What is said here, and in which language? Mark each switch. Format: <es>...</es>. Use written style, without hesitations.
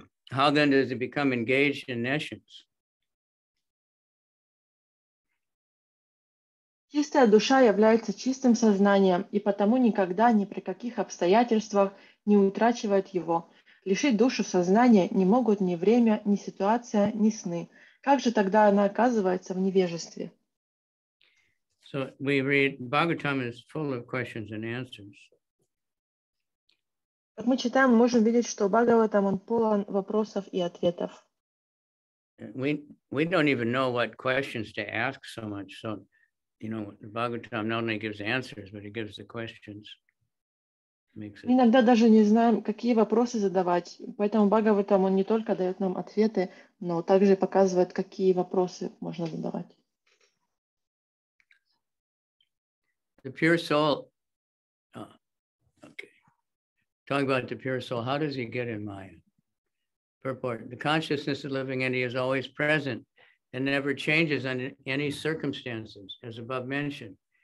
<en>How then does it become engaged in nations?</en> <ru>Чистая душа является чистым сознанием и потому никогда ни при каких обстоятельствах не утрачивает его. Лишить душу сознания не могут ни время, ни ситуация, ни сны. Как же тогда она оказывается в невежестве?</ru> <en>So we read Bhagavatam is full of questions and answers.</en> <ru>Как мы читаем, мы можем видеть, что Бхагаватам он полон вопросов и ответов.</ru> <en>We don't even know what questions to ask so much. So, you know, Bhagavatam not only gives answers, but he gives the questions.</en> <ru>Иногда даже не знаем, какие вопросы задавать, поэтому Бхагаватам он не только дает нам ответы, но также показывает, какие вопросы можно задавать.</ru> <en>The pure soul. Talking about the pure soul, how does he get in Maya? Purport. The consciousness of living entity is always present and never changes under any circumstances, as above mentioned.</en>